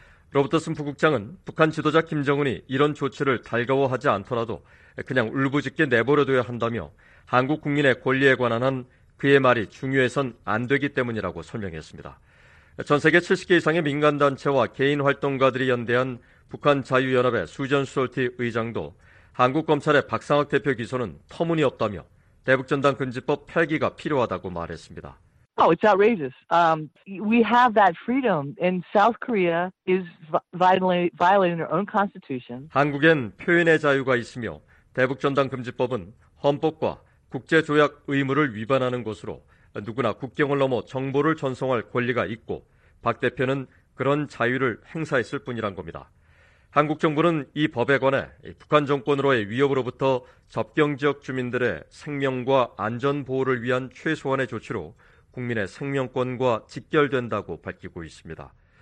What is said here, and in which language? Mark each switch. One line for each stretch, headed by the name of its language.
Korean: 로버트슨 부국장은 북한 지도자 김정은이 이런 조치를 달가워하지 않더라도 그냥 울부짖게 내버려둬야 한다며 한국 국민의 권리에 관한 한 그의 말이 중요해선 안 되기 때문이라고 설명했습니다. 전 세계 70개 이상의 민간단체와 개인 활동가들이 연대한 북한자유연합의 수전수솔티 의장도 한국검찰의 박상학 대표 기소는 터무니없다며 대북전단금지법 폐기가 필요하다고 말했습니다.
English: Oh, it's outrageous. We have that freedom, and South Korea is violating their own constitution.
Korean: 한국엔 표현의 자유가 있으며 대북전단금지법은 헌법과 국제조약 의무를 위반하는 것으로 누구나 국경을 넘어 정보를 전송할 권리가 있고 박 대표는 그런 자유를 행사했을 뿐이란 겁니다. 한국 정부는 이 법에 관해 북한 정권으로의 위협으로부터 접경 지역 주민들의 생명과 안전 보호를 위한 최소한의 조치로 국민의 생명권과 직결된다고 밝히고 있습니다.